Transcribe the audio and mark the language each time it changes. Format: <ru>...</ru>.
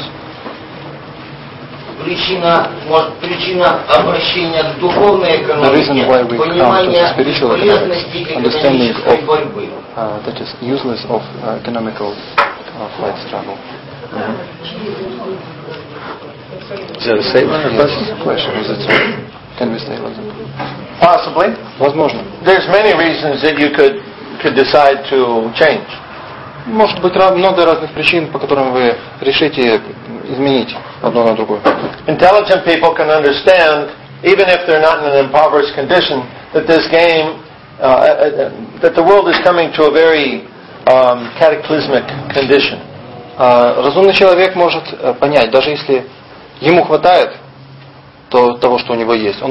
<en>The reason why we come to the spiritual economics, understanding of that is useless of economical flight struggle. Is that a statement or question? Yes, question. Is it true? Can we stay like that? Possibly.</en> <ru>Возможно.</ru> <en>There's many reasons that you could decide to change.</en> <ru>Может быть много разных причин, по которым вы решите изменить одно на другое.</ru> <en>Intelligent people can understand, even if they're not in an impoverished condition, that this game, that the world is coming to a very cataclysmic condition.</en> <ru>Разумный человек может понять, даже если ему хватает того, что у него есть.</ru>